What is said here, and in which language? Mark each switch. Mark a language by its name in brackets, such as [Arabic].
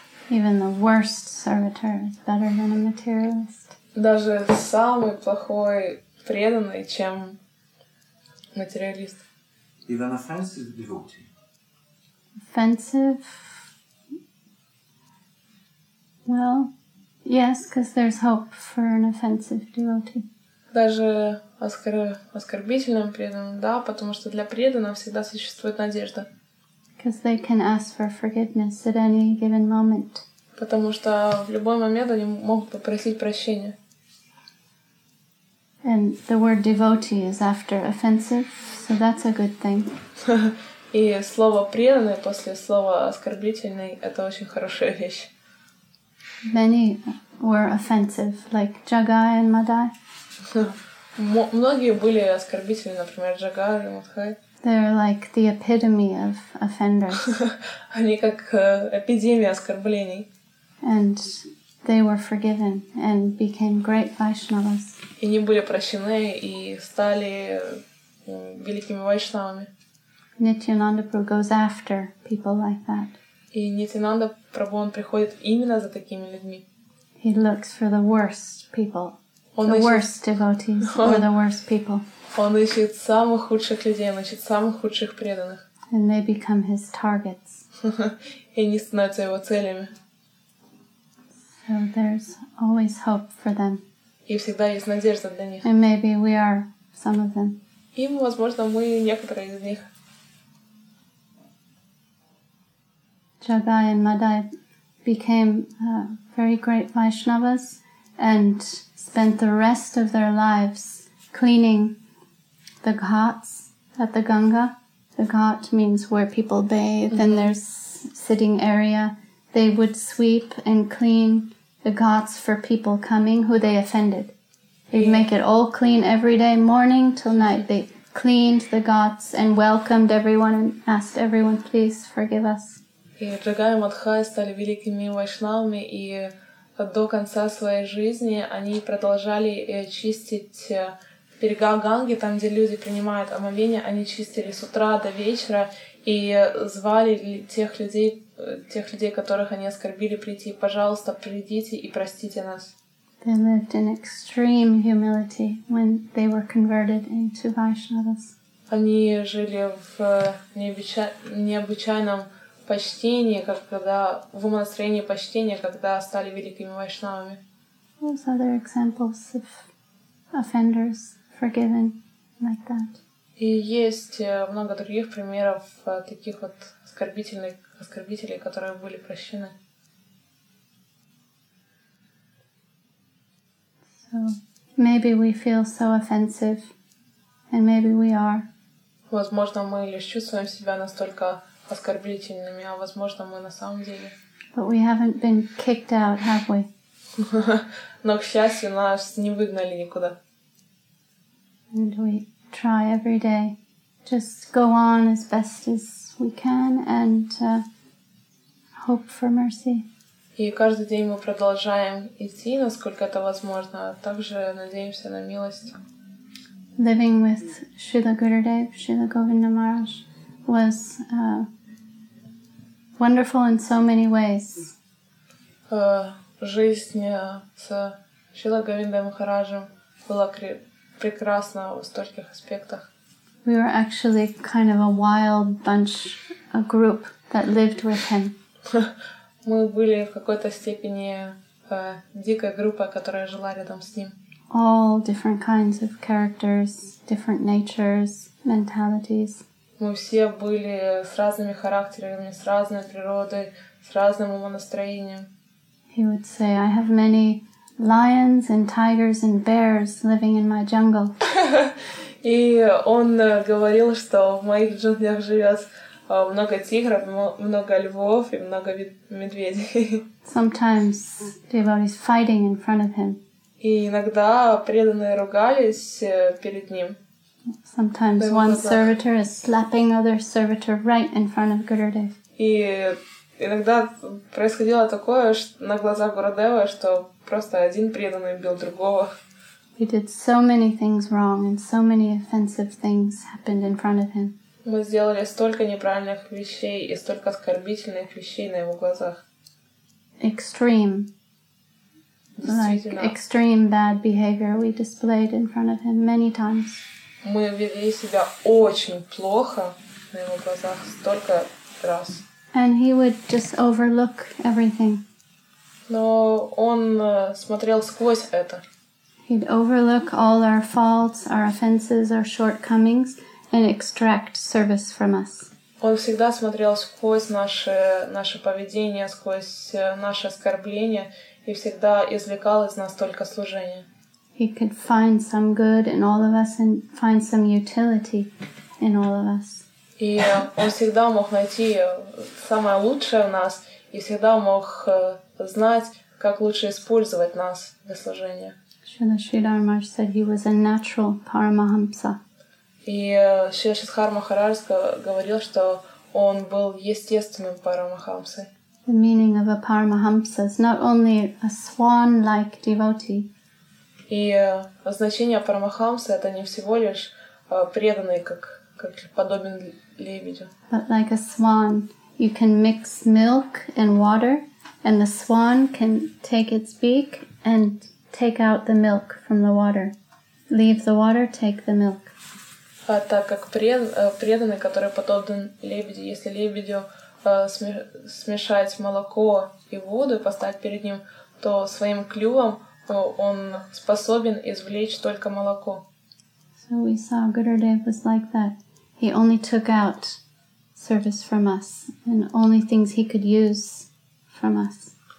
[English] Even the worst servitor is better than a materialist. [Russian] Даже самый плохой преданный, чем материалист. [English] Even offensive devotee. Offensive? Well, yes, because there's hope for an offensive devotee. [Russian] Даже оскорбительным преданным, да, потому что для преданного всегда существует надежда. [English] Because they can ask for forgiveness at any given moment. [Russian] Потому что в любой момент они могут попросить прощения. [English] And the word devotee is after offensive, so that's a good thing. [Russian] И слово преданное после слова оскорбительный — это очень хорошая вещь. [English] Many were offensive, like Jagai and Madai. [Russian] Многие были оскорбительны, например, Джагай и Мадхай. [English] They're like the epitome of offenders. [Russian] Они как эпидемия оскорблений. [English] And they were forgiven and became great Vaishnavas. [Russian] И они были прощены и стали великими вайшнавами. [English] Nityananda Prabhu goes after people like that. [Russian] И Нитьянанда Прабху он приходит именно за такими людьми. [English] He looks for the worst people, the worst devotees, or the worst people. [Russian] Он ищет самых худших людей, он ищет самых худших преданных. [English] And they become his targets. [Russian] И они становятся его целями. [English] So there's always hope for them. [Russian] И всегда есть надежда для них. [English] And maybe we are some of them. [Russian] И, возможно, мы некоторые из них. [English] Jagai and Madai became very great Vaishnavas and spent the rest of their lives cleaning the ghats at the Ganga. The ghat means where people bathe and there's sitting area. They would sweep and clean the ghats for people coming who they offended. They'd make it all clean every day, morning till night. They cleaned the ghats and welcomed everyone and asked everyone, please forgive us. [Russian] И Джагай и Мадхай стали великими вайшнавами и до конца своей жизни они продолжали чистить берега Ганги, там, где люди принимают омовение, они чистили с утра до вечера и звали тех людей, которых они оскорбили, прийти, пожалуйста, придите и простите нас. [English] They lived in extreme humility when they were converted into Vaishnavas. [Russian] Они жили в необычайном почтении, когда в умонастроении почтения, когда стали великими вайшнавами. [English] Those other examples of offenders forgiven like that. [Russian] И есть много других примеров таких вот оскорбителей, которые были прощены. [English] So maybe we feel so offensive, and maybe we are. [Russian] Возможно, мы лишь чувствуем себя настолько оскорбительными, а возможно, мы на самом деле. [English] But we haven't been kicked out, have we? [Russian] Но, к счастью, нас не выгнали никуда. [English] And we try every day, just go on as best as we can and hope for mercy. [Russian] И каждый день мы продолжаем идти, насколько это возможно, а также надеемся на милость. [English] Living with Srila Gurudev, Srila Govinda Maharaj, was wonderful in so many ways. [Russian] Жизнь с Шрила Говиндой Махараджем была прекрасна в стольких аспектах. [English] We were actually kind of a wild bunch, a group that lived with him. [Russian] Мы были в какой-то степени дикой группой, которая жила рядом с ним. [English] All different kinds of characters, different natures, mentalities. [Russian] Мы все были с разными характерами, с разной природой, с разным умонастроением. [English] He would say, "I have many lions and tigers and bears living in my jungle." [Russian] И он говорил, что в моих джунглях живет много тигров, много львов и много медведей. [English] Sometimes devotees fighting in front of him. [Russian] И иногда преданные ругались перед ним. [English] Sometimes one servitor is slapping other servitor right in front of Gurudev. [Russian] И иногда происходило такое на глазах Гурудева, что просто один преданный бил другого. [English] He did so many things wrong, and so many offensive things happened in front of him. [Russian] Мы сделали столько неправильных вещей и столько оскорбительных вещей на его глазах. [English] Extreme. Like extreme bad behavior we displayed in front of him many times. [Russian] Мы вели себя очень плохо на его глазах столько раз. [English] And he would just overlook everything. [Russian] Но он смотрел сквозь это. [English] He'd overlook all our faults, our offenses, our shortcomings and extract service from us. [Russian] Он всегда смотрел сквозь наше поведение, сквозь наше оскорбление. И всегда извлекал из нас только служение. [English] He could find some good in all of us and find some utility in all of us. [Russian] И он всегда мог найти самое лучшее в нас и всегда мог знать, как лучше использовать нас для служения. [English] Шрила Шридхар Махарадж said he was a natural Paramahamsa. [Russian] И Шрила Шридхар Махарадж говорил, что он был естественным Парамахамсой. [English] The meaning of a Paramahamsa is not only a swan-like devotee. [Russian] И значение Парамахамсы это не всего лишь преданный, как подобен лебедю. [English] But like a swan, you can mix milk and water, and the swan can take its beak and take out the milk from the water. Leave the water, take the milk. [Russian] А так как преданный, который подобен лебедю, если лебедю смешать молоко и воду и поставить перед ним, то своим клювом он способен извлечь только молоко. [English] So we saw Gurudev was like that. He only took out service from us and only things he could use from us.